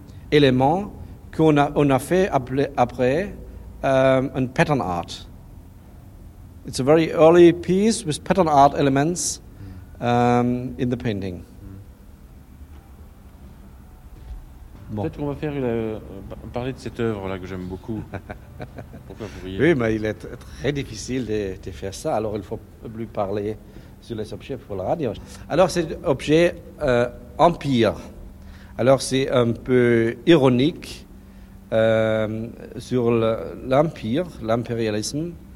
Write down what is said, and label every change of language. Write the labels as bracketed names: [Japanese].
[French] éléments qu'on a fait après un pattern art. [English] It's a very early piece with pattern art elements in the painting. [French] Bon. Peut-être qu'on va faire parler de cette œuvre là que j'aime beaucoup. Pourquoi vous voyez? Oui, mais il est très difficile de faire ça. Alors il faut plus parler sur les objets pour la radio. Alors cet objet empire. Alors, c'est un peu ironique sur l'empire, l'impérialisme.